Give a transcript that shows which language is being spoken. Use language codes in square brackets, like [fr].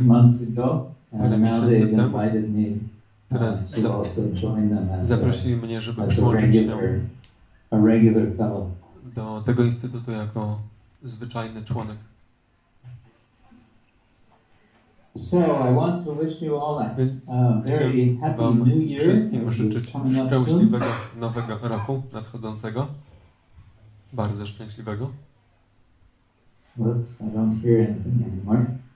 [en] Months ago, and now they invited me. [pl] Teraz zaprosili mnie, żeby przyłączyć się. [en] A regular fellow. [pl] Do tego instytutu jako zwyczajny członek. [en] So I want to wish you all a very happy New Year. [pl] Wszystkim życzyć szczęśliwego nowego roku nadchodzącego. Bardzo szczęśliwego. [en] Oops, I don't hear anything anymore.